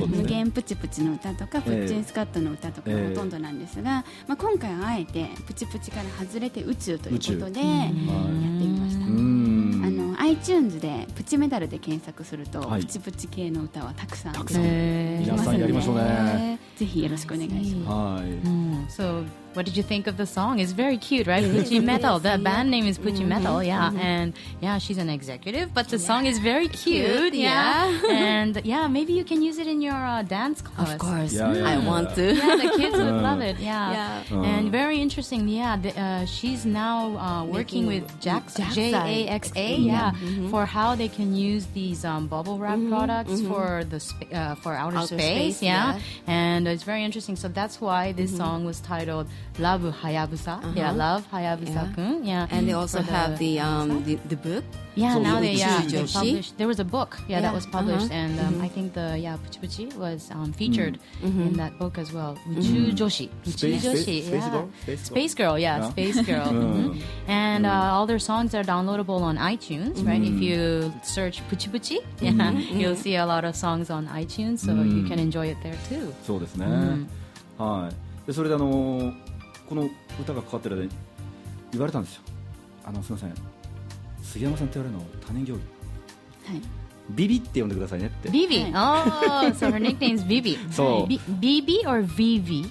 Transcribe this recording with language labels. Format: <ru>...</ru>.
<ja>無限プチプチの歌とか、プッチンスカットの歌とかほとんどなんですが、まあ、今回はあえてプチプチから外れて宇宙ということでやってみました。 iTunes でプチメタルで検索すると、はい、プチプチ系の歌はたくさん、たくさん皆さんやりましょうね、ぜひよろしくお願いします、はい、</ja> <en>So what did you think of the song? It's very cute, right? Pucci Metal. The band name is Pucci Metal, yeah. And yeah, she's an executive, but the song is very cute, yeah. And yeah, maybe you can use it in your dance class. Of course, yeah, yeah, I want to. Yeah, the kids would love it, yeah. And very interesting, yeah. She's now working with JAXA, yeah, for how they can use these bubble wrap products for the for outer space, yeah. And it's very interesting. So that's why this song was titled Love Hayabusa, yeah, Love Hayabusa kun, yeah. And they also have the book. Yeah, so now they published. There was a book, yeah, that was published, and I think the Puchi Puchi was featured in that book as well. Uchu Joshi, Uchu Joshi, Space Girl, yeah, Space Girl. And all their songs are downloadable on iTunes, right? If you search Puchi Puchi, yeah, you'll see a lot of songs on iTunes, so you can enjoy it there too.</en> <ja>そうですね。はい。でそれでこの歌がかかってる間に言われたんですよ、すいません杉山さんって言われるの他人行儀、はい、ビビって呼んでくださいねって、ビビ、はい、</ja> <en>oh, so her nickname is ビビ、</en> <ja>そう、ビビ or ビビ、</ja>